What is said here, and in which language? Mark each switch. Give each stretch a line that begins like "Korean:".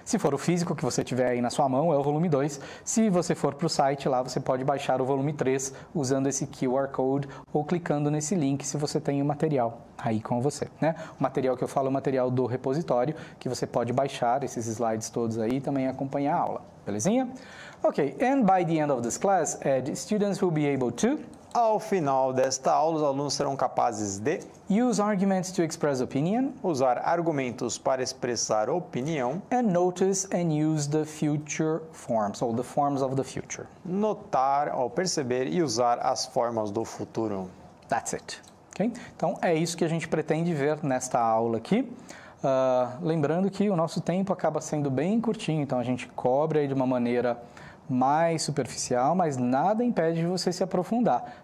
Portuguese: Se for o físico que você tiver aí na sua mão, é o volume 2. Se você for para o site lá, você pode baixar o volume 3 usando esse QR Code ou clicando nesse link se você tem o material aí com você. Né? O material que eu falo é o material do repositório, que você pode baixar esses slides todos aí e também acompanhar a aula. Belezinha?
English: Ok, and by the end of this class, Ed, students will be able to...
Portuguese: Ao final desta aula, os alunos serão capazes de...
English: Use arguments to express opinion.
Portuguese: Usar argumentos para expressar opinião.
English: And notice and use the future forms, or the forms of the future.
Portuguese: Notar ou perceber e usar as formas do futuro.
English: That's it. Ok?
Portuguese: Então, é isso que a gente pretende ver nesta aula aqui. Lembrando que o nosso tempo acaba sendo bem curtinho, então a gente cobre aí de uma maneira mais superficial, mas nada impede de você se aprofundar.